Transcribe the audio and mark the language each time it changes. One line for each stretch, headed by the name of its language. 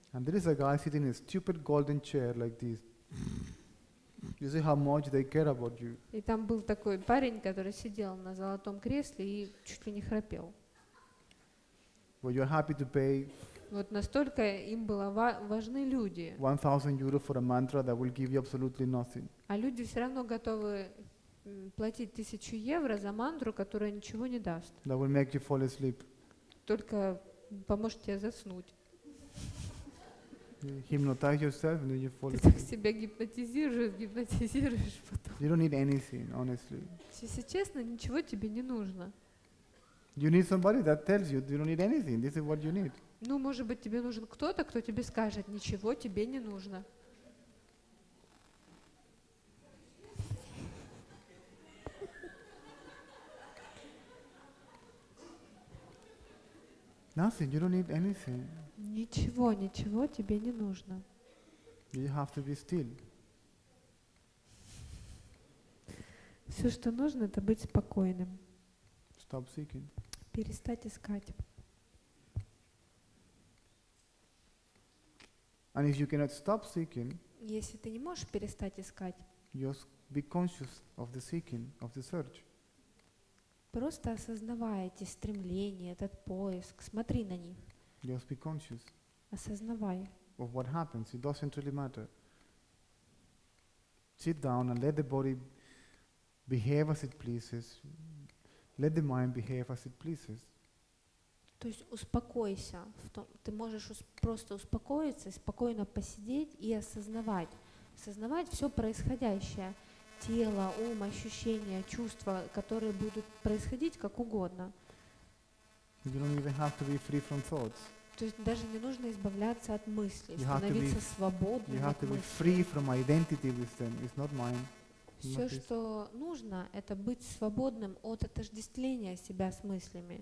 English: And there is a guy sitting in a stupid golden chair like this. You see how much they care about you.
Russian: И там был такой парень, который сидел на золотом кресле и чуть ли не храпел.
English: Well, you're happy to pay
Russian: Вот настолько им было важны люди.
English: 1000 euro for a mantra that will give you absolutely nothing.
Russian: А люди все равно готовы платить 1000 евро за мантру, которая ничего не даст.
English: That will make you fall asleep.
Russian: Только поможет тебе заснуть.
English: Hypnotize yourself and then you fall
Russian: asleep. Ты так себя гипнотизируешь потом.
English: You don't need anything, honestly.
Russian: Если честно, ничего тебе не нужно.
English: You need somebody that tells you you don't need anything. This is what you need.
Russian: Ну, может быть, тебе нужен кто-то, кто тебе скажет, ничего тебе не нужно.
English: Nothing, you don't need anything.
Russian: Ничего, ничего тебе не нужно.
English: You have to be still.
Russian: Все, что нужно, это быть спокойным.
English: Stop seeking.
Russian: Перестать искать.
English: And if you cannot stop seeking,
Russian: если ты не можешь перестать искать,
English: just be conscious of the seeking, of the search.
Russian: Просто осознавай эти стремления, этот поиск, смотри на них.
English: Just be conscious.
Russian: Осознавай.
English: Of what happens, it doesn't really matter. Sit down and let the body behave as it pleases. Let the mind behave as it pleases.
Russian: То есть успокойся, в том, ты можешь просто успокоиться, спокойно посидеть и осознавать все происходящее, тело, ум, ощущения, чувства, которые будут происходить как угодно.
English: You don't even have to be free from thoughts.
Russian: То есть даже не нужно избавляться от мыслей, становиться свободным.
English: You have to be free from identity with them, it's not mine.
Russian: Все, что нужно, это быть свободным от отождествления себя с мыслями.